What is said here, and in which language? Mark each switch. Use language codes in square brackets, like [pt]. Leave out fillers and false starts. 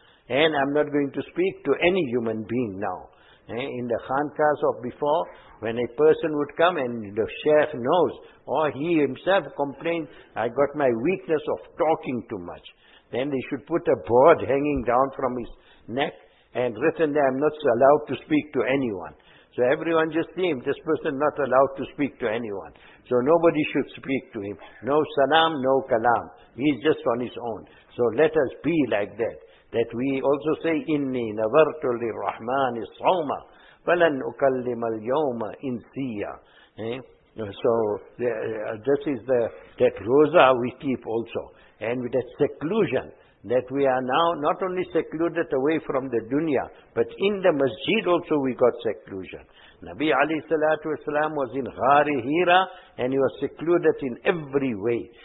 [en] And I'm not going to speak to any human being now. In the khankas of before, when a person would come and the sheikh knows, or he himself complains, I got my weakness of talking too much. Then they should put a board hanging down from his neck and written there, I'm not allowed to speak to anyone. So everyone just see him, this person not allowed to speak to anyone. So nobody should speak to him. No salam, no kalam. He's just on his own. So let us be like that. That we also say, [ar] إِنِّي نَظَرْتُ لِلرَّحْمَانِ صَوْمًا فَلَنْ أُكَلِّمَ الْيَوْمَ إِنْسِيًّا. [en] So this is the that rosa we keep also, and that seclusion, that we are now not only secluded away from the dunya, but in the masjid also we got seclusion. Nabi alayhi salatu wasalam was in Ghari Hira, and he was secluded in every way.